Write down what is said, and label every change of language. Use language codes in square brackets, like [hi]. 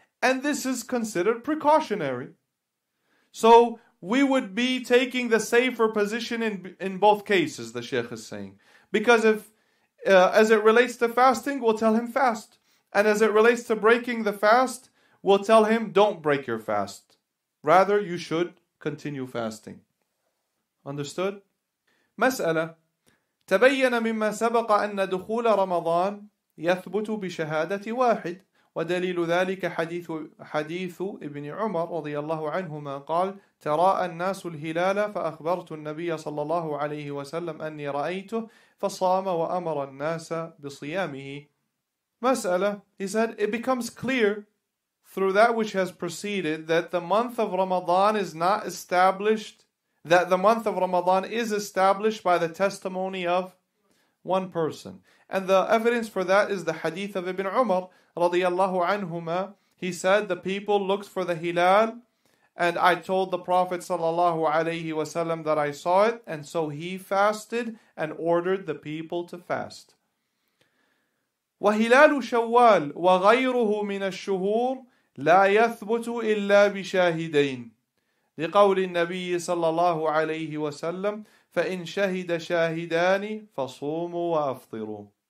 [en] And this is considered precautionary. So we would be taking the safer position in both cases, the Sheikh is saying. Because if, as it relates to fasting, we'll tell him fast. And as it relates to breaking the fast, we'll tell him, don't break your fast. Rather, you should continue fasting. Understood? [ar] مسألة. تبين مما سبق أن دخول رمضان يثبت بشهادة واحد، ودليل ذلك حديث ابن عمر رضي الله عنهما قال تراءى الناس الهلال فأخبرت النبي صلى الله عليه وسلم أني رأيته فصام وأمر الناس بصيامه. مسألة. [en] He said, it becomes clear through that which has preceded, that the month of Ramadan is not established, that the month of Ramadan is established by the testimony of one person. And the evidence for that is the hadith of Ibn Umar, radiyallahu anhuma. He said, the people looked for the hilal, and I told the Prophet sallallahu alayhi wasallam that I saw it, and so he fasted and ordered the people to fast. [ar] وَهِلَالُ شَوَّالُ وَغَيْرُهُ مِنَ الشُّهُورِ لا يثبت إلا بشاهدين لقول النبي صلى الله عليه وسلم فإن شهد شاهدان فصوموا وأفطروا.